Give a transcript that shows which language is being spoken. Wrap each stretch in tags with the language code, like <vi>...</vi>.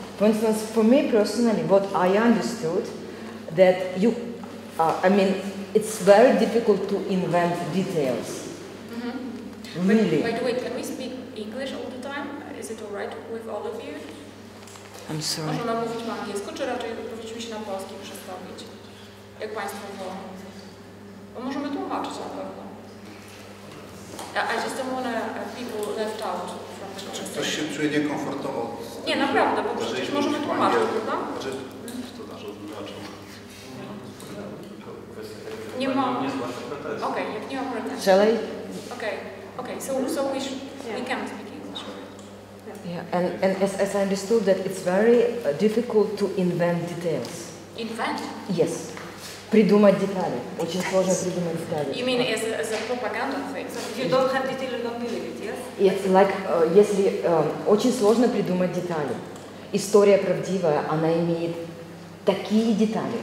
<en>For instance, for me personally, what I understood that you, I mean, it's very difficult to invent details. Mm-hmm. Really. Wait, can we speak English all the time? Is it all right with all of you? I'm sorry.</en> <pl>Możemy mówić po angielsku, czy raczej powinniśmy się na polski przestawić? Jak państwo wolą? Bo możemy tłumaczyć na pewno.</pl> <en>I just don't want people left out from the conversation.</en> <pl>Czy ktoś się czuje niekomfortowo? Nie, naprawdę, bo przecież możemy tłumaczyć, prawda? To nasz odbywacz. Nie ma... Okay, nie ma pretensji.</pl> <en>Shall I? Okay, so we should, yeah. We can't speak. Yeah, and as I understood that it's very difficult to invent details. Invent? Yes.</en> <ru>Придумать детали. Очень сложно придумать детали.</ru> <en>You mean as a propaganda thing? So if you don't have details, you don't believe it, yes? It's like,</en> <ru>если очень сложно придумать детали. История правдивая, она имеет такие детали.</ru>